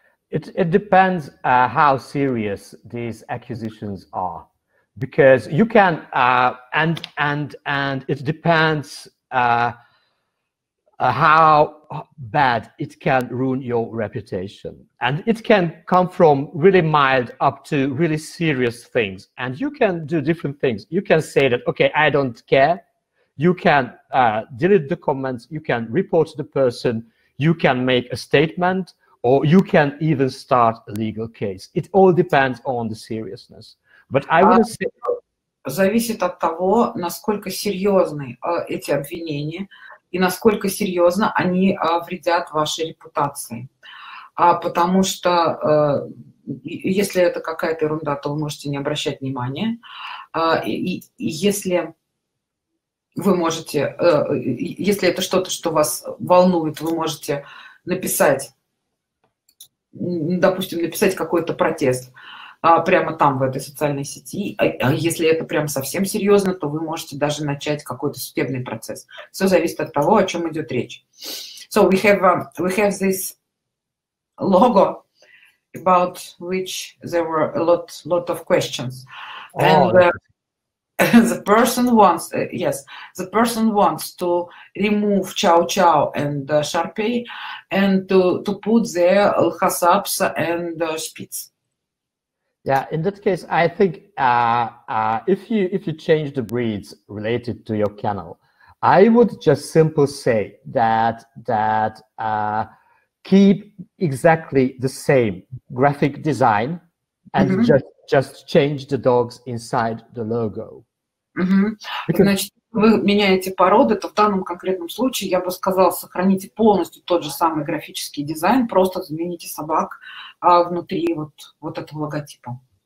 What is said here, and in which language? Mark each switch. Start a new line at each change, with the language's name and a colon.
English: It depends how serious these accusations are, because you can and it depends how bad it can ruin your reputation, and it can come from really mild up to really serious things, and you can do different things. You can say that, okay, I don't care. You can delete the comments, you can report the person, you can make a statement, or you can even start a legal case. It all depends on the seriousness. But I would say...
Russian: Зависит от того, насколько серьезны эти обвинения и насколько серьезно они вредят вашей репутации. Потому что если это какая-то ерунда, то вы можете не обращать внимания. Если вы можете... Если это что-то, что вас волнует, вы можете написать... Допустим, написать какой-то протест прямо там, в этой социальной сети. Если это прям совсем серьезно, то вы можете даже начать какой-то судебный процесс. Все зависит от того, о чем идет речь.
English: So we have this logo about which there were a lot of questions. And the person wants to remove Chow Chow and Sharpei and to put the Hasaps and Spitz. Yeah, in that case, I think if you change the breeds related to your kennel, I would just simply say that keep exactly the same graphic design and mm-hmm. just change the dogs inside the logo. Угу.
Russian: Значит, вы меняете породы, то в данном конкретном случае я бы сказала, сохраните полностью тот же самый графический дизайн, просто замените собак внутри вот этого логотипа.